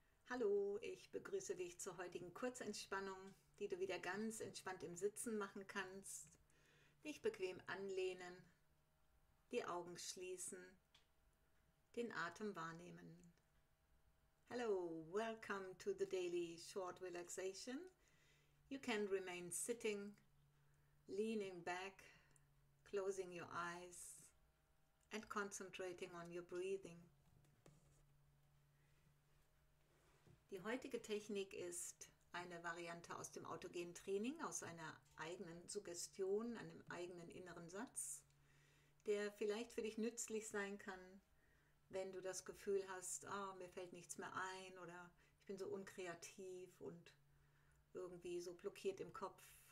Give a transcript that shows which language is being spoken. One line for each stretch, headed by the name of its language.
German: Hallo, ich begrüße dich zur heutigen Kurzentspannung, die du wieder ganz entspannt im Sitzen machen kannst. Dich bequem anlehnen, die Augen schließen, den Atem wahrnehmen.
English: Hello, welcome to the daily short relaxation. You can remain sitting, leaning back, closing your eyes and concentrating on your breathing.
German: Die heutige Technik ist eine Variante aus dem autogenen Training, aus einer eigenen Suggestion, einem eigenen inneren Satz, der vielleicht für dich nützlich sein kann, wenn du das Gefühl hast, oh, mir fällt nichts mehr ein oder ich bin so unkreativ und irgendwie so blockiert im Kopf.